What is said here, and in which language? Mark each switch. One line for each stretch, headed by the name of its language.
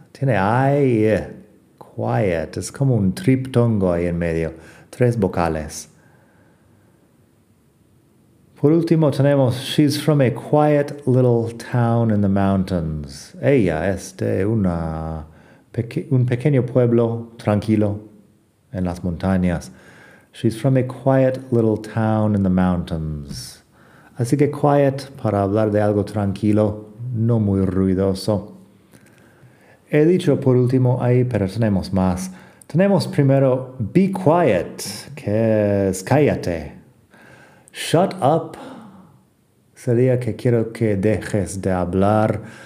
Spanish: Tiene ay,
English: quiet.
Spanish: Es como un triptongo ahí en medio. Tres vocales. Por último tenemos,
English: she's from a quiet little town in the mountains.
Spanish: Ella es de un pequeño pueblo tranquilo en las montañas.
English: She's from a quiet little town in the mountains.
Spanish: Así que
English: quiet,
Spanish: para hablar de algo tranquilo, no muy ruidoso. He dicho por último ahí, pero tenemos más. Tenemos primero,
English: be quiet,
Spanish: que es cállate.
English: Shut up
Spanish: sería que quiero que dejes de hablar.